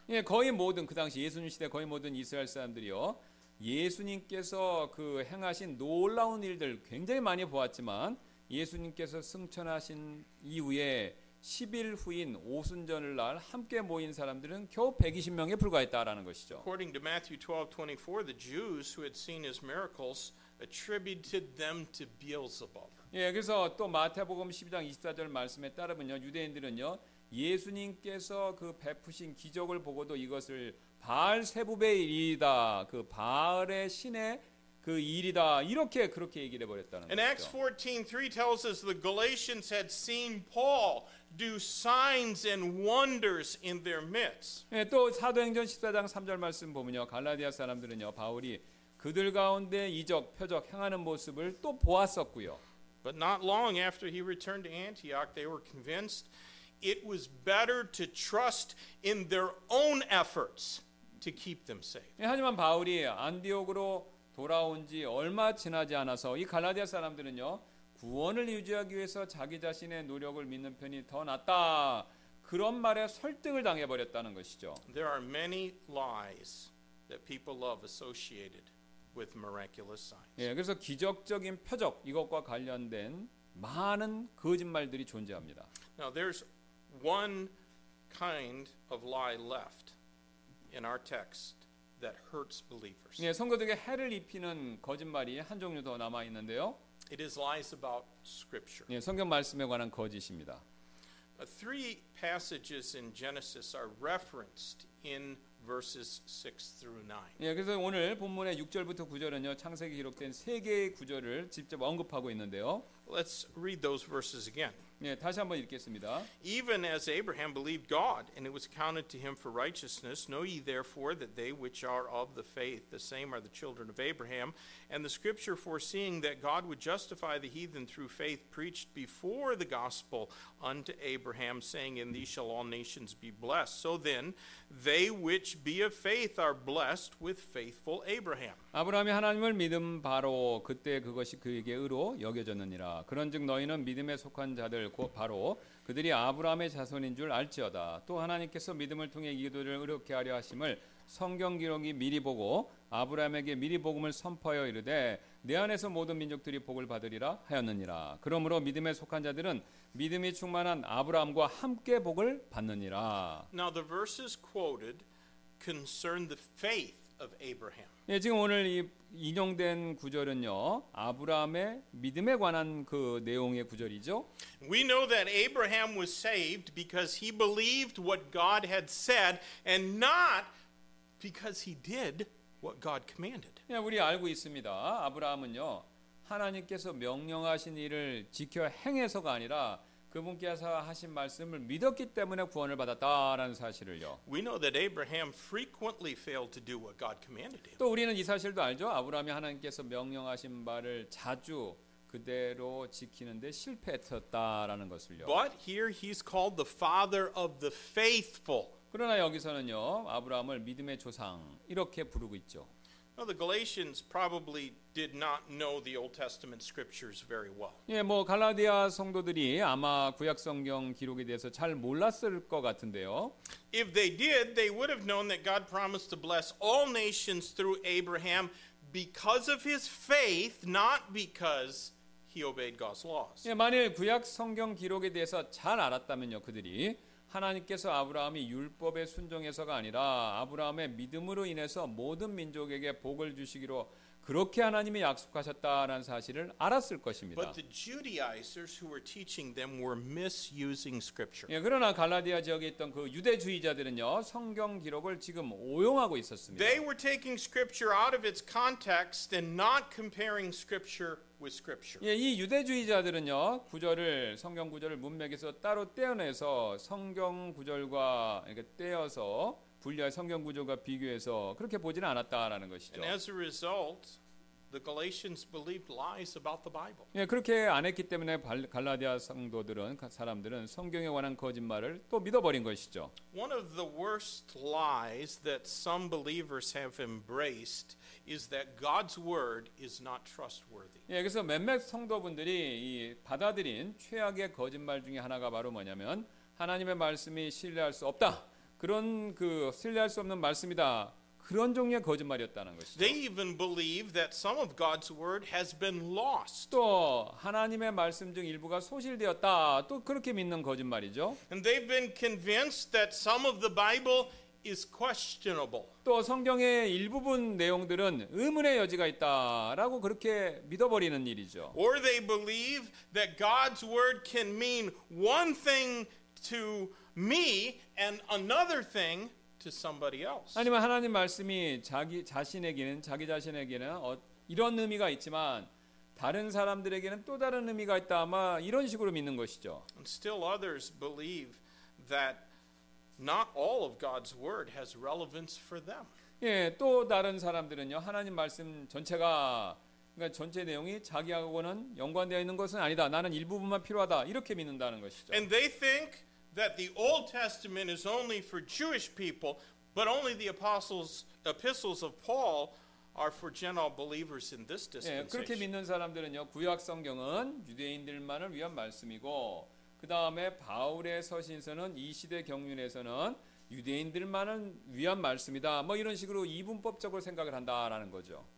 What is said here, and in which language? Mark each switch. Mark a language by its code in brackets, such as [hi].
[ko] 예, 거의 모든 그 당시 예수님 시대 거의 모든 이스라엘 사람들이요. 예수님께서 그 행하신 놀라운 일들 굉장히 많이 보았지만 예수님께서 승천하신 이후에 10일 후인 오순절 날 함께 모인 사람들은 겨우 120명에 불과했다라는 것이죠. [en] According to Matthew 12:24, the Jews who had seen his miracles attributed them to Beelzebub. [ko] 예, 그래서 또 마태복음 12장 24절 말씀에 따르면요, 유대인들은요, 예수님께서 그 베푸신 기적을 보고도 이것을 바알세부의 일이다, 그 바알의 신의 그 일이다 이렇게 그렇게 얘기를 해버렸다는 거죠. [en] And Acts 14:3 tells us the Galatians had seen Paul do signs and wonders in their midst. [ko] 예, 또 사도행전 14장 3절 말씀 보면요, 갈라디아 사람들은요, 바울이 그들 가운데 이적 표적 행하는 모습을 또 보았었고요. [en] But not long after he returned to Antioch, they were convinced it was better to trust in their own efforts to keep them safe. [ko] 예, 하지만 바울이 안디옥으로 돌아온 지 얼마 지나지 않아서 이 갈라디아 사람들은요 구원을 유지하기 위해서 자기 자신의 노력을 믿는 편이 더 낫다 그런 말에 설득을 당해 버렸다는 것이죠. [en] There are many lies that people love associated with miraculous signs. [ko] 예, 그래서 기적적인 표적 이것과 관련된 많은 거짓말들이 존재합니다. [en] Now there's one kind of lie left in our text. That hurts believers. [ko] 예, 성도들에게 해를 입히는 거짓말이 한 종류 더 남아 있는데요. [en] It is lies about Scripture. [ko] 예, 성경 말씀에 관한 거짓입니다. [en] Three passages in Genesis are referenced in verses 6 through 9. [ko] 예, 그래서 오늘 본문의 6절부터 9절은요 창세기 기록된 세 개의 구절을 직접 언급하고 있는데요. [en] Let's read those verses again. [ko] 예, 다시 한번 읽겠습니다. [en] Even as Abraham believed God, and it was counted to him for righteousness, know ye therefore that they which are of the faith, the same are the children of Abraham. And the scripture foreseeing that God would justify the heathen through faith preached before the gospel unto Abraham, saying, In thee shall all nations be blessed. So then, they which be of faith are blessed with faithful Abraham. [ko] 아브라함이 하나님을 믿음 바로 그때 그것이 그에게 의로 여겨졌느니라. 그런즉 너희는 믿음에 속한 자들 곧 바로 그들이 아브라함의 자손인 줄 알지어다. 또 하나님께서 믿음을 통해 이들을 의롭게 하려 하심을 성경 기록이 미리 보고 아브라함에게 미리 복음을 선포하여 이르되 내 안에서 모든 민족들이 복을 받으리라 하였느니라. 그러므로 믿음에 속한 자들은 믿음이 충만한 아브라함과 함께 복을 받느니라. [en] Now the verses quoted concern the faith of Abraham. [ko] 예, 지금 오늘 이 인용된 구절은요 아브라함의 믿음에 관한 그 내용의 구절이죠. [en] We know that Abraham was saved because he believed what God had said, and not because he did what God commanded. [ko] 예, 우리 알고 있습니다. 아브라함은요 하나님께서 명령하신 일을 지켜 행해서가 아니라 그분께서 하신 말씀을 믿었기 때문에 구원을 받았다라는 사실을요. [en] We know that Abraham frequently failed to do what God commanded him. [ko] 또 우리는 이 사실도 알죠. 아브라함이 하나님께서 명령하신 말을 자주 그대로 지키는데 실패했었다라는 것을요. [en] But here he's called the father of the faithful. [ko] 그러나 여기서는요. 아브라함을 믿음의 조상 이렇게 부르고 있죠. [en] Well, the Galatians probably did not know the Old Testament scriptures very well. [ko] 예, 뭐 갈라디아 성도들이 아마 구약 성경 기록에 대해서 잘 몰랐을 것 같은데요. [en] If they did, they would have known that God promised to bless all nations through Abraham because of his faith, not because he obeyed God's laws. [ko] 예, 만일 구약 성경 기록에 대해서 잘 알았다면요, 그들이 하나님께서 아브라함이 율법에 순종해서가 아니라 아브라함의 믿음으로 인해서 모든 민족에게 복을 주시기로 그렇게 하나님이 약속하셨다라는 사실을 알았을 것입니다. [en] But the Judaizers who were teaching them were misusing scripture. [ko] 예, 그러나 갈라디아 지역에 있던 그 유대주의자들은요, 성경 기록을 지금 오용하고 있었습니다. [en] They were taking scripture out of its context and not comparing scripture with scripture. [ko] 예, 이 유대주의자들은요, 구절을 성경 구절을 문맥에서 따로 떼어내서 성경 구절과 이렇게 떼어서 분리할 성경 구조가 비교해서 그렇게 보지는 않았다라는 것이죠. [en] And as a result, the Galatians believed lies about the Bible. [ko] 예, 그렇게 안 했기 때문에 갈라디아 성도들은 사람들은 성경에 관한 거짓말을 또 믿어버린 것이죠. [en] One of the worst lies that some believers have embraced is that God's word is not trustworthy. [ko] 예, 그래서 몇몇 성도분들이 이 받아들인 최악의 거짓말 중에 하나가 바로 뭐냐면 하나님의 말씀이 신뢰할 수 없다. 그런 그 신뢰할 수 없는 말씀이다. 그런 종류의 거짓말이었다는 것이죠. [en] They even believe that some of God's word has been lost. [ko] 또 하나님의 말씀 중 일부가 소실되었다. 또 그렇게 믿는 거짓말이죠. [en] And they've been convinced that some of the Bible is questionable. [ko] 또 성경의 일부분 내용들은 의문의 여지가 있다라고 그렇게 믿어버리는 일이죠. [en] Or they believe that God's word can mean one thing to me and another thing to somebody else. [ko] 아니면 하나님 말씀이 자기 자신에게는 이런 의미가 있지만 다른 사람들에게는 또 다른 의미가 있다. 아마 이런 식으로 믿는 것이죠. [en] And still others believe that not all of God's word has relevance for them. [ko] 예, 또 다른 사람들은요. 하나님 말씀 전체가 그러니까 전체 내용이 자기하고는 연관되어 있는 것은 아니다. 나는 일부분만 필요하다. 이렇게 믿는다는 것이죠. [en] And they think that the Old Testament is only for Jewish people, but only the epistles of Paul are for general believers in this dispensation. [ko] 예, 그렇게 믿는 사람들은요, 구약 성경은 유대인들만을 위한 말씀이고, 그 다음에 바울의 서신서는 이 시대 경륜에서는 유대인들만을 위한 말씀이다. 뭐 이런 식으로 이분법적으로 생각을 한다라는 거죠.